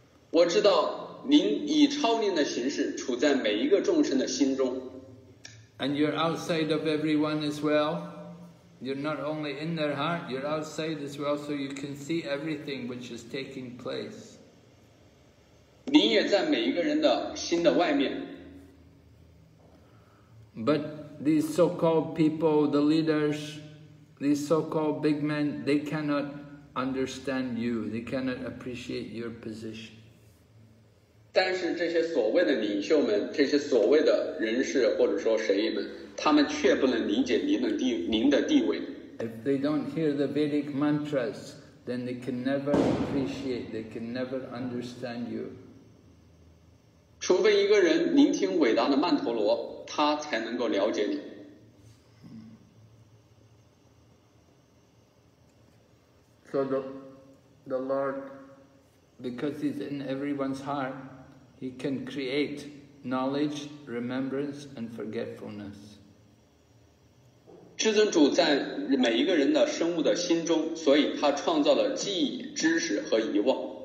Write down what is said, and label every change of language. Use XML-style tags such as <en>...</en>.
<zh>我知道您以超念的形式处在每一个众生的心中。</zh> <en>And you're outside of everyone as well. You're not only in their heart, you're outside as well, so you can see everything which is taking place.</en> <zh>您也在每一个人的心的外面。</zh> <en>But these so-called people, the leaders, these so-called big men, they cannot understand you. They cannot appreciate your position.</en> <zh>但是这些所谓的领袖们，这些所谓的人士或者说神们，他们却不能理解您的地位。</zh> <en>If they don't hear the Vedic mantras, then they can never appreciate, they can never understand you.</en> <zh>除非一个人聆听伟大的曼陀罗，他才能够了解你。</zh> <en>So the Lord, because He's in everyone's heart, He can create knowledge, remembrance, and forgetfulness.</en> <zh>至尊主在每一个人的生物的心中，所以他创造了记忆、知识和遗忘。</zh>